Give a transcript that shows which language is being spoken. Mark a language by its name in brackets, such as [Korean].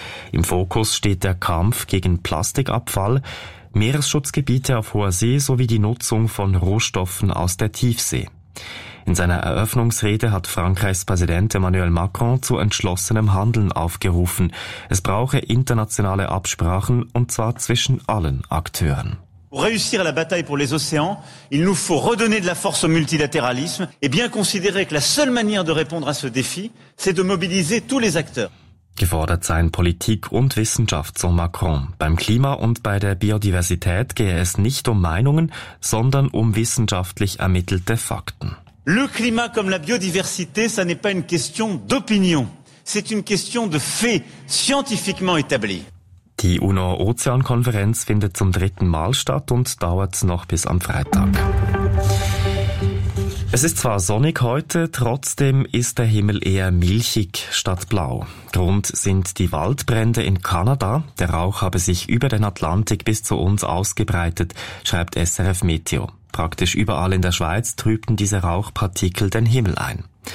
[German] Im Fokus steht der Kampf gegen Plastikabfall, Meeresschutzgebiete auf hoher See sowie die Nutzung von Rohstoffen aus der Tiefsee. In seiner Eröffnungsrede hat Frankreichs Präsident Emmanuel Macron zu entschlossenem Handeln aufgerufen. Es brauche internationale Absprachen, und zwar zwischen allen Akteuren. [French] Pour réussir la bataille pour les océans, il nous faut redonner de la force au multilatéralisme et bien considérer que la seule manière de répondre à ce défi, c'est de mobiliser tous les acteurs. [German] Gefordert seien Politik und Wissenschaft, so Macron. Beim Klima und bei der Biodiversität gehe es nicht um Meinungen, sondern um wissenschaftlich ermittelte Fakten. [French] Le climat comme la biodiversité, ça n'est pas une question d'opinion. C'est une question de fait scientifiquement établi. [German] Die UNO-Ozeankonferenz findet zum 3. Mal statt und dauert noch bis am Freitag. Es ist zwar sonnig heute, trotzdem ist der Himmel eher milchig statt blau. Grund sind die Waldbrände in Kanada. Der Rauch habe sich über den Atlantik bis zu uns ausgebreitet, schreibt SRF Meteo. Praktisch überall in der Schweiz trübten diese Rauchpartikel den Himmel ein.